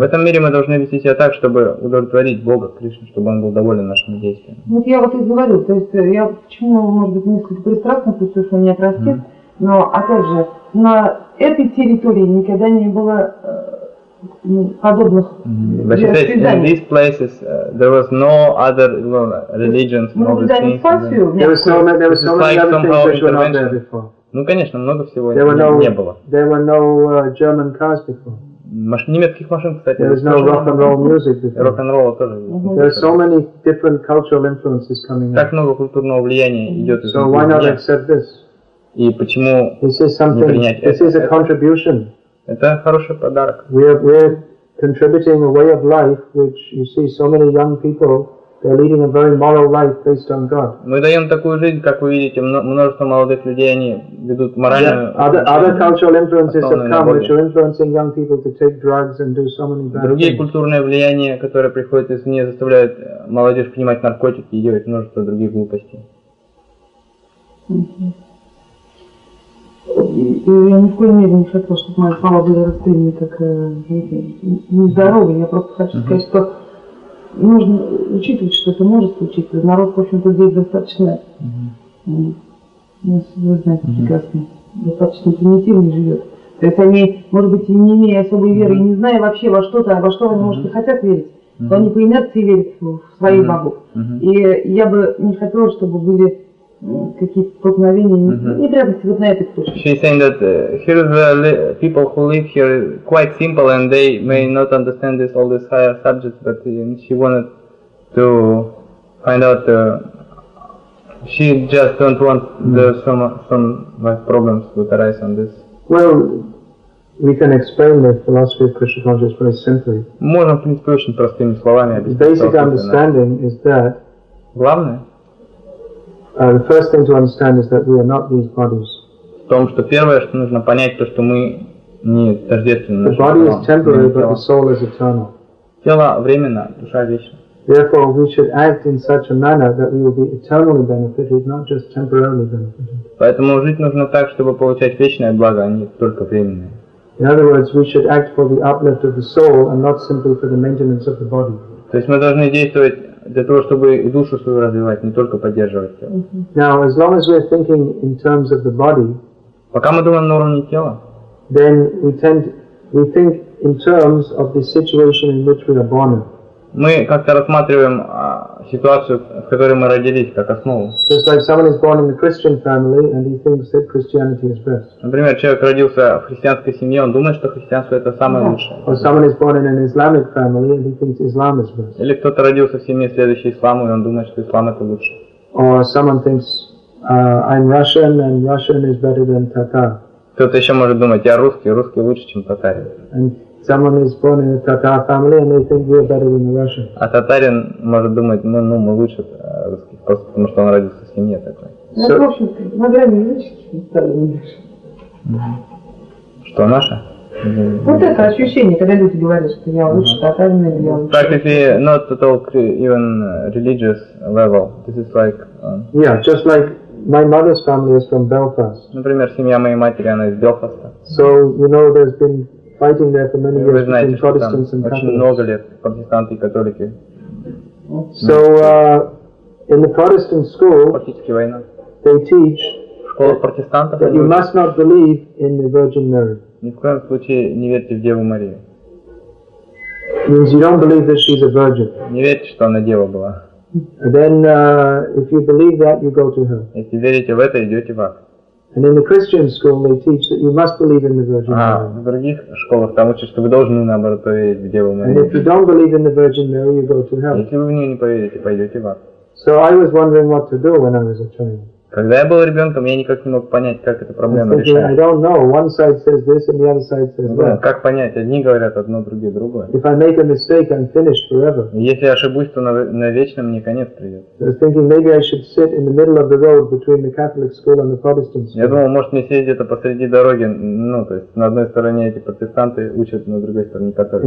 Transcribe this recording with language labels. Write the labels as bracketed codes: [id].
[ru] этом мире мы должны вести себя так, чтобы удовлетворить Бога Кришну, чтобы Он был доволен нашими действиями. Вот я вот и говорю, то есть я почему, может быть, несколько пристрастно, то есть он меня простит, но опять же, на этой территории никогда не было подобных связаний. [en] In these places there was no other religions, no other things. [ru] Ну, конечно, много всего не было. [en] There were no German cars before. [ru] Немецких машин, кстати. [en] There was no rock and roll music before. [ru] Рок [en] and [ru] ролла тоже. [en] There are so many different cultural influences coming in. [ru] Так много культурного влияния идет из этого. [en] So why not accept this? [ru] И почему не принять это? [en] This is a contribution. [ru] Это хороший подарок. [en] We're contributing a way of life, which you see so many young people. They're leading a very moral life based on God. [ru] Мы даем такую жизнь, как вы видите, множество молодых людей, они ведут моральную. [en] Other cultural influences have come, which are influencing young people to take drugs and do so many bad things. [ru] Другие культурные влияния, которые приходят извне, заставляют молодежь принимать наркотики и делать множество других глупостей. я ни в коей мере не хотел, чтобы мои слова были расценены как нездоровые. Я просто хочу сказать, что нужно учитывать, что это может случиться. Народ, в общем-то, здесь достаточно, вы знаете, прекрасно, достаточно примитивно живет. То есть они, может быть, и не имея особой веры, и не зная вообще во что-то, во что они, может, и хотят верить, то они по инерции верят в своих богов. И я бы не хотела, чтобы были какие-то столкновения, не прямо вот на этой точке. [en] She's saying that here the people who live here quite simple and they may not understand this, all these higher subjects, but she wanted to find out she just don't want some like problems to arise on this. Well, we can explain the philosophy of Krishna consciousness very simply. [ru] Можем, в принципе, очень простыми словами объяснить. [en] Basic understanding is that. [ru] Главное. [en] The first thing to understand is that we are not these bodies. [ru] В том, что первое, что нужно понять, то, что мы не тождественны. [en] The body is temporary, but the soul is eternal. [ru] Тело временно, душа вечна. [en] Therefore, we should act in such a manner that we will be eternally benefited, not just temporarily benefited. [ru] Поэтому жить нужно так, чтобы получать вечное благо, а не только временное. [en] In other words, we should act for the uplift of the soul and not simply for the maintenance of the body. [ru] То есть мы должны действовать для того, чтобы и душу свою развивать, не только поддерживать тело. [en] Now, as long as we're thinking in terms of the body, [ru] пока мы думаем на уровне тела, [en] then we think in terms of the situation in which we are born. [ru] Мы как-то рассматриваем ситуацию, в которой мы родились, как основу. [en] Just like someone is born in a Christian family and he thinks that Christianity is best. [ru] Например, человек родился в христианской семье, он думает, что христианство это самое лучшее. [en] Or someone is born in an Islamic family and he thinks Islam is best. [ru] Или кто-то родился в семье, следующий исламу, и он думает, что ислам это лучше. [en] Or someone thinks I'm Russian and Russian is better than Tatar. [ru] Кто-то еще может думать, я русский, русский лучше, чем татарин. [en] Someone is born in a Tatar family and they think we are better than the Russians. [ru] А татарин может думать, ну мы лучше русских, просто потому что он родился в семье такой. Ну, в общем-то, на грани языческие татарин. Что, наше? Вот это ощущение, когда люди говорят, что я лучше татарин или я лучше. Так, [en] if you're not at all even religious level, this is like... Yeah, just like... My mother's family is from Belfast. [ru] Например, семья моей матери, она из Белфаста. [en] So, you know, there's been fighting there for many years between Protestants and Catholics. [ru] Очень много лет, протестанты и католики. [en] So, in the Protestant school, they teach that you must not believe in the Virgin Mary. [ru] Ни в коем случае не верьте в Деву Марию. [en] Means you don't believe that she's a virgin. [ru] Не верьте, что она дева была. [en] Then, if you believe that, you go to her. [ru] Если верите в это, идете в ад. [en] And in the Christian school, they teach that you must believe in the Virgin Mary. [ru] В других школах там учат, что вы должны наоборот поверить в Деву Марию. [en] And if you don't believe in the Virgin Mary, you go to hell. [ru] Если вы в нее не поверите, пойдете в ад. [en] So I was wondering what to do when I was a child. Когда я был ребенком, я никак не мог понять, как эта проблема решается. I don't know. One side says this, and the other side says that. [ru] Как понять? Одни говорят одно, другие другое. [en] If I make a mistake, I'm finished forever. [ru] Если я ошибусь, то навечно мне конец придет. [en] I was thinking maybe I should sit in the middle of the road between the Catholic school and the Protestant school. [ru] Я думал, может мне сесть где-то посреди дороги, ну то есть на одной стороне эти протестанты учат, на другой стороне католики.